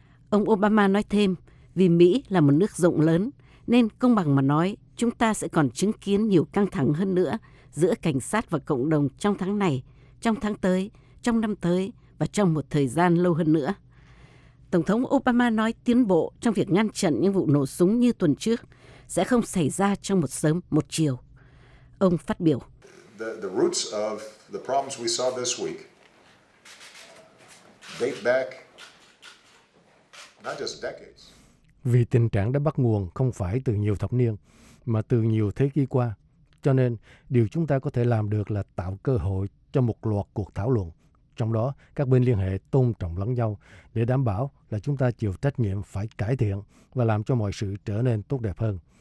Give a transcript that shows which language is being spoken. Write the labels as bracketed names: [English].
[Vietnamese] Ông Obama nói thêm, vì Mỹ là một nước rộng lớn, nên công bằng mà nói, chúng ta sẽ còn chứng kiến nhiều căng thẳng hơn nữa giữa cảnh sát và cộng đồng trong tháng này, trong tháng tới, trong năm tới và trong một thời gian lâu hơn nữa. Tổng thống Obama nói tiến bộ trong việc ngăn chặn những vụ nổ súng như tuần trước sẽ không xảy ra trong một sớm một chiều. Ông phát biểu. [English] The roots of the problems we saw this week date back not just decades. [Vietnamese] Vì tình trạng đã bắt nguồn không phải từ nhiều thập niên, mà từ nhiều thế kỷ qua. Cho nên, điều chúng ta có thể làm được là tạo cơ hội cho một loạt cuộc thảo luận, trong đó các bên liên hệ tôn trọng lẫn nhau để đảm bảo là chúng ta chịu trách nhiệm phải cải thiện và làm cho mọi sự trở nên tốt đẹp hơn.